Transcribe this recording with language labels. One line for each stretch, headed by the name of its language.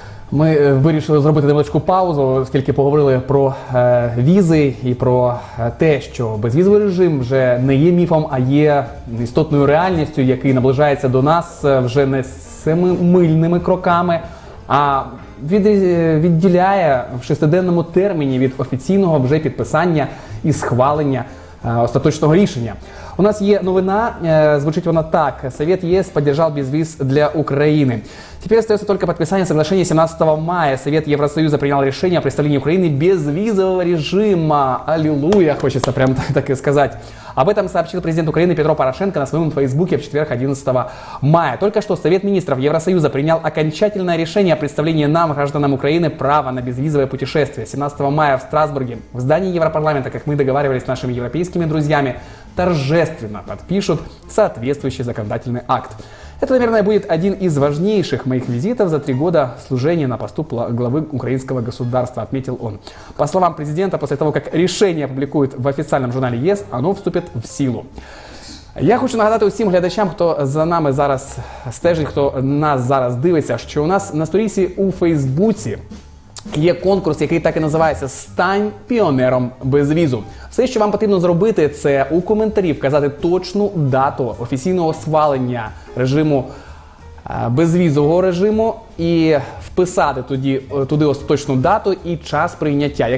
Ukrainian: Ми вирішили зробити невеличку паузу, оскільки поговорили про візи і про те, що безвізовий режим вже не є міфом, а є істотною реальністю, який наближається до нас вже не семимильними кроками, а відділяє в шестиденному терміні від офіційного вже підписання і схвалення остаточного рішення. У нас є новина, звучить вона так.
Russian: Совет ЕС поддержал безвиз для Украины. Теперь остается только подписание соглашения 17 мая. Совет Евросоюза принял решение о представлении Украины безвизового режима. Аллилуйя, хочется прямо так и сказать. Об этом сообщил президент Украины Петро Порошенко на своем фейсбуке в четверг 11 мая. Только что Совет Министров Евросоюза принял окончательное решение о представлении нам, гражданам Украины, права на безвизовое путешествие. 17 мая в Страсбурге, в здании Европарламента, как мы договаривались с нашими европейскими друзьями, торжественно подпишут соответствующий законодательный акт. Это, наверное, будет один из важнейших моих визитов за 3 года служения на посту главы украинского государства, отметил он. По словам президента, после того, как решение опубликуют в официальном журнале ЕС, оно вступит в силу.
Ukrainian: Я хочу нагадати усім глядачам, хто за нами зараз стежить, хто нас зараз дивиться, що у нас на сторінці у Фейсбуці є конкурс, який так і називається «Стань піонером без візу». Все, що вам потрібно зробити, це у коментарі вказати точну дату офіційного схвалення режиму безвізового режиму і вписати туди остаточну дату і час прийняття.